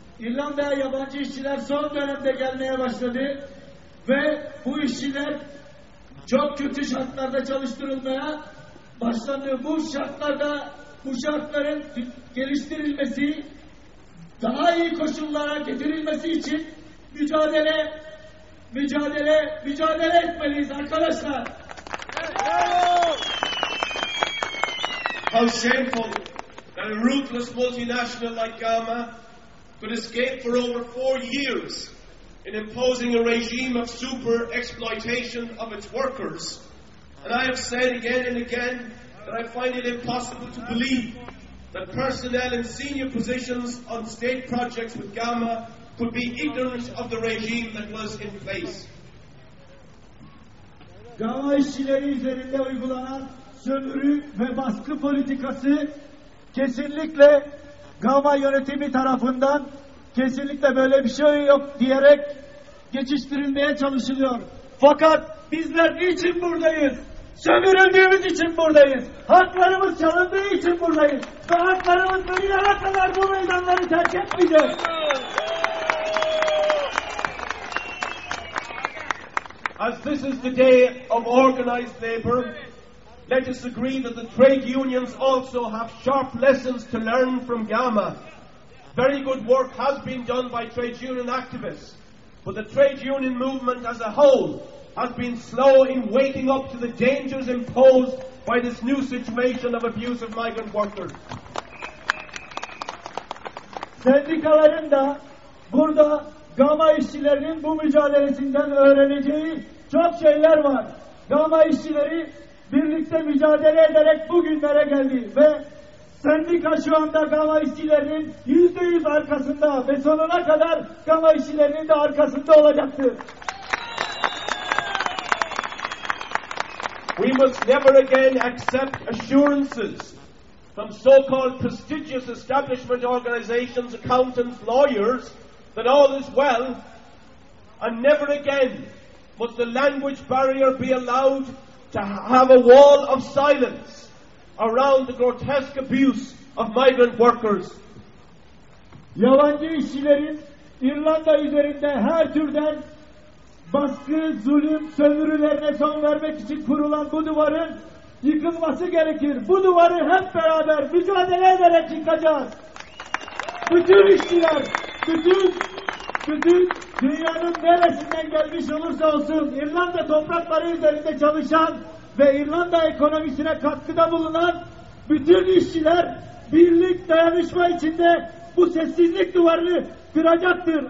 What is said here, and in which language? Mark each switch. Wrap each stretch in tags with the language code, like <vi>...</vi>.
<tr>İrlanda'ya yabancı işçiler son dönemde gelmeye başladı ve bu işçiler çok kötü şartlarda çalıştırılmaya başlandı. Bu şartlarda, bu şartların geliştirilmesi, daha iyi koşullara getirilmesi için mücadele etmeliyiz arkadaşlar.</tr> <en>How shameful that a ruthless multinational like GAMA could escape for over 4 years in imposing a regime of super exploitation of its workers. And I have said again and again that I find it impossible to believe that personnel in senior positions on state projects with GAMA could be ignorant of the regime that was in place.</en> <tr>GAMA işçileri üzerinde uygulanan sömürü ve baskı politikası kesinlikle GAMA yönetimi tarafından kesinlikle böyle bir şey yok diyerek geçiştirilmeye çalışılıyor. Fakat bizler niçin buradayız? Sömürüldüğümüz için buradayız. Haklarımız çalındığı için buradayız. Ve haklarımız bugüne kadar bu meydanları terk etmeyecek.</tr> <en>As this is the day of organized labor, let us agree that the trade unions also have sharp lessons to learn from GAMA. Very good work has been done by trade union activists, but the trade union movement as a whole has been slow in waking up to the dangers imposed by this new situation of abuse of migrant workers.</en> <tr>Sendikaların da burada GAMA işçilerinin bu mücadelesinden öğreneceği çok şeyler var. GAMA işçileri birlikte mücadele ederek bugünlere geldi ve sendika şu anda GAMA işçilerinin %100 arkasında ve sonuna kadar GAMA işçilerinin de arkasında olacaktır.</tr> <en>We must never again accept assurances from so-called prestigious establishment organizations, accountants, lawyers, that all is well, and never again must the language barrier be allowed to have a wall of silence around the grotesque abuse of migrant workers.</en> <tr>Yabancı işçilerin İrlanda üzerinde her türden baskı, zulüm, sömürülerine son vermek için kurulan bu duvarın yıkılması gerekir. Bu duvarı hep beraber mücadele ederek yıkacağız. Bütün işçiler, bütün dünyanın neresinden gelmiş olursa olsun İrlanda toprakları üzerinde çalışan ve İrlanda ekonomisine katkıda bulunan bütün işçiler birlik dayanışma içinde bu sessizlik duvarını kıracaktır.</tr>